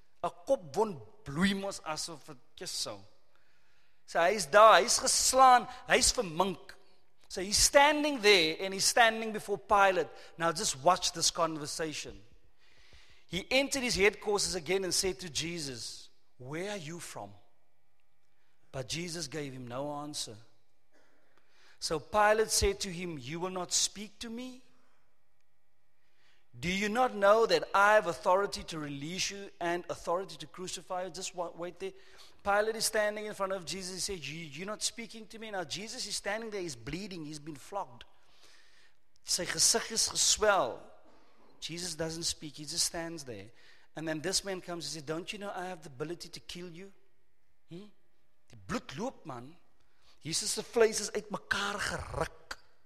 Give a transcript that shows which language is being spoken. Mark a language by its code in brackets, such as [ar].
[af] A kop won bloemos asof het just so. So hy is daar, hy is geslaan, hy is vermink. [en] So he's standing there and he's standing before Pilate. Now just watch this conversation. He entered his headquarters again and said to Jesus, "Where are you from?" But Jesus gave him no answer. So Pilate said to him, "You will not speak to me? Do you not know that I have authority to release you and authority to crucify you?" Just wait there. Pilate is standing in front of Jesus. He said, "You're not speaking to me." Now Jesus is standing there. He's bleeding. He's been flogged. [af] Sy gesig is geswel. [en] Jesus doesn't speak. He just stands there. And then this man comes and says, "Don't you know I have the ability to kill you?" [af] Die bloed loop, man. Jesus se vlees is uit mekaar geruk.